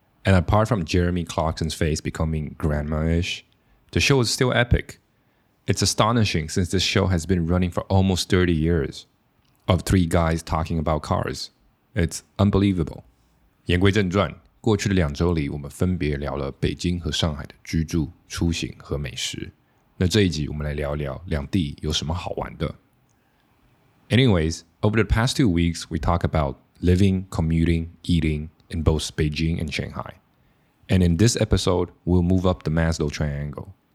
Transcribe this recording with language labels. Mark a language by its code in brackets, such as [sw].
[en] And apart from Jeremy Clarkson's face becoming grandma-ish, the show is still epic. It's astonishing since this show has been running for almost 30 years of three guys talking about cars. It's unbelievable. [zh] 言归正传，过去的两周里我们分别聊了北京和上海的居住、出行和美食。那这一集我们来聊聊两地有什么好玩的。 [en] Anyways, over the past 2 weeks, we talk about living, commuting, eating in both Beijing and Shanghai. And in this episode, we'll move up the Maslow triangle.